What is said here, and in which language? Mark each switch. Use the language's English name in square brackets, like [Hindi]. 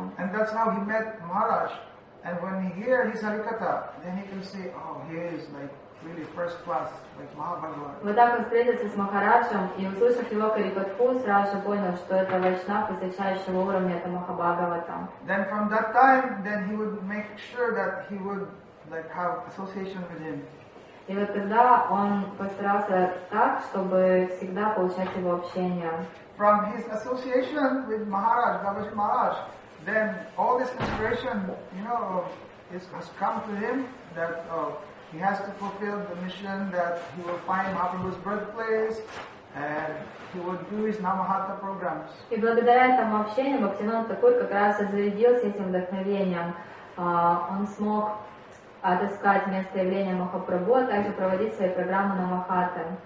[English] And that's how he met Maharaj. And when he hear his Harikatha, then he can see, he is like really first class, like Mahabhagavan. [Russian] Вот так он встретился с Махараджем и, услышав его Харикатху, сразу же понял, что это Вайшнав высочайшего уровня, это Махабхагавата. [English] Then from that time, then he would make sure that he would like have association with him. [Russian] И вот тогда он постарался так, чтобы всегда получать его общение. [English] From his association with Maharaj, Babaji Maharaj, then all this inspiration, you know, has come to him that he has to fulfill the mission that he will find Mahaprabhu's birthplace and he will do his Namahatha programs. [Russian] И благодаря этому общению Бхактивинода Такур как раз и зарядился этим вдохновением. Он смог отыскать место явления Махапрабху, а также проводить свои программы на Махаты.